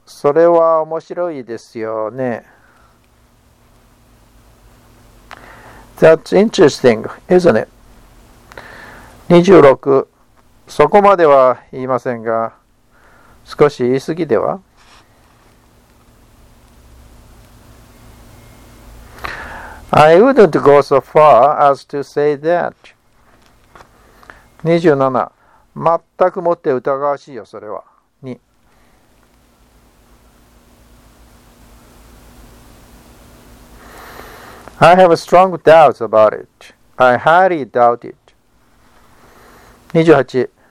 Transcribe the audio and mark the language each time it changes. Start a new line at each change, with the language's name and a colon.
Japanese: それは面白いですよね。
English: That's interesting, isn't it?
Japanese: 26、そこまでは言いませんが、少し言い過ぎでは？
English: I wouldn't go so far as to say that. 27.
Japanese: 全くもって疑わしいよ、それは。
English: 2. I have strong doubts about it. I highly doubt it. 28.